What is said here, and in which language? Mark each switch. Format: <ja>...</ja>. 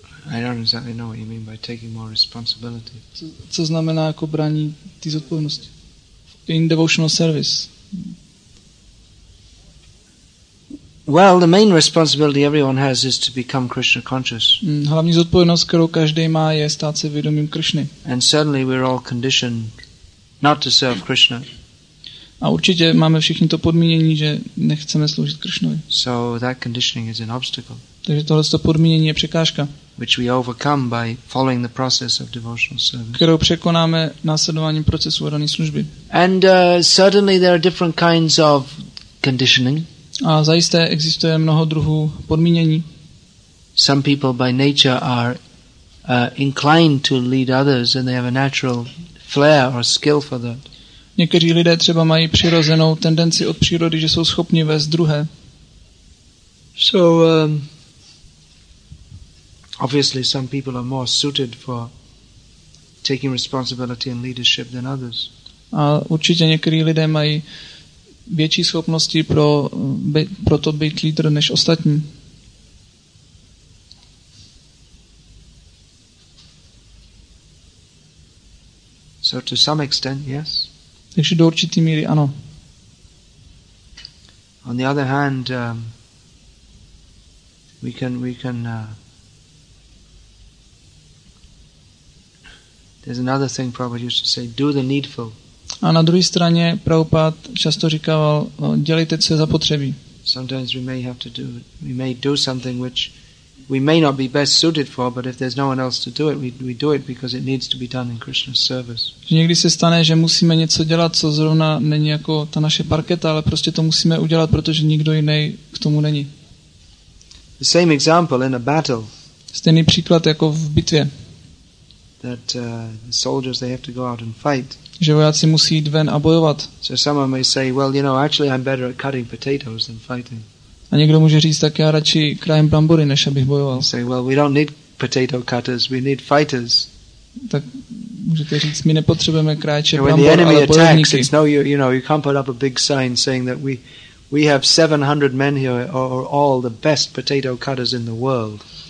<en>I don't exactly know what you mean by taking more responsibility.</en> <cs>Co znamená jako brání ty zodpovědnosti?</cs> <en>In devotional service. Well, the main responsibility everyone has is to become Krishna conscious.</en> <cs>Hlavní zodpovědnost, kterou každý má, je stát se vědomým Krishny.</cs> <en>And certainly we're all conditioned not to serve Krishna.</en> <cs>A určitě máme všichni to podmínění, že nechceme sloužit Krishnovi.</cs> <en>So that conditioning is an obstacle.</en> <cs>Takže tohle to podmínění je překážka.</cs> <en>Which we overcome by following the process of devotional service.</en> <cs>Kterou překonáme následováním procesu odané služby.</cs> <en>And certainly there are different kinds of conditioning.</en> <cs>A zajisté existuje mnoho druhů podmínění.</cs> <en>Some people by nature are inclined to lead others and they have a natural flair or skill for that.</en> <cs>Někteří lidé třeba mají přirozenou tendenci od přírody, že jsou schopni vést druhé.</cs> <en>So obviously some people are more suited for taking responsibility and leadership than others.</en> <cs>A určitě někteří lidé mají větší schopnosti pro to být lídr než ostatní.</cs> <en>So to some extent, yes.</en> <cs>Takže do určité míry ano.</cs> <en>On the other hand, there's another thing Prabhupada used to say, do the needful.</en> <cs>A na druhé straně Prabhupada často říkal, dělejte, co je zapotřebí.</cs> <en>Sometimes we may have to do it. We may do something which we may not be best suited for, but if there's no one else to do it, we do it because it needs to be done in Krishna's service.</en> <cs>Někdy se stane, že musíme něco dělat, co zrovna není jako ta naše parketa, ale prostě to musíme udělat, protože nikdo jiný k tomu není.</cs> <en>The same example in a battle.</en> <cs>Stejný příklad jako v bitvě.</cs> <en>That the soldiers, they have to go out and fight.</en> <cs>Že vojáci musí jít ven a bojovat.</cs> <en>So someone may say, well, you know, actually I'm better at cutting potatoes than fighting.</en> <cs>A někdo může říct, tak já radši krájím brambory, než abych bojoval.</cs> <en>Say, well, we don't need potato cutters, we need fighters.</en> <cs>Tak můžete říct, my nepotřebujeme krájče brambor, ale bojovníky.</cs> <en>When the enemy attacks, it's no, you know, you can't put up a big sign saying that we have 700 men here or all the best potato cutters in the world.</en>